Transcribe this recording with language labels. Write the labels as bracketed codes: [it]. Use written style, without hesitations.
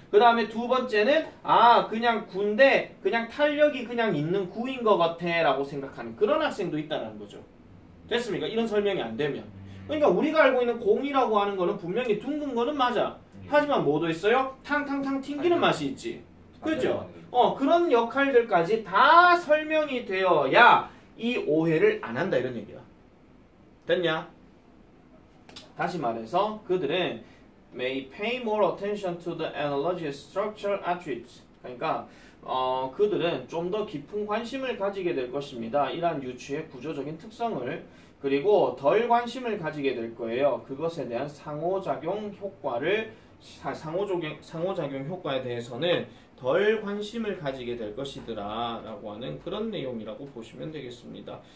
[ko] 그 다음에 두 번째는 아 그냥 군데 그냥 탄력이 그냥 있는 구인 것 같아 라고 생각하는 그런 학생도 있다는 거죠. 됐습니까? 이런 설명이 안 되면. 그러니까 우리가 알고 있는 공이라고 하는 거는 분명히 둥근 거는 맞아. 하지만 뭐도 있어요? 탕탕탕 튕기는 맛이 있지. 그죠? 어, 그런 역할들까지 다 설명이 되어야 이 오해를 안 한다 이런 얘기야. 됐냐? 다시 말해서 그들은 [en] may pay more attention to the analogous structural attributes. [ko] 그러니까 그들은 좀 더 깊은 관심을 가지게 될 것입니다. 이러한 유추의 구조적인 특성을. 그리고 덜 관심을 가지게 될 거예요. 그것에 대한 상호작용 효과를, 상호작용 효과에 대해서는 덜 관심을 가지게 될 것이더라 라고 하는 그런 내용이라고 보시면 되겠습니다.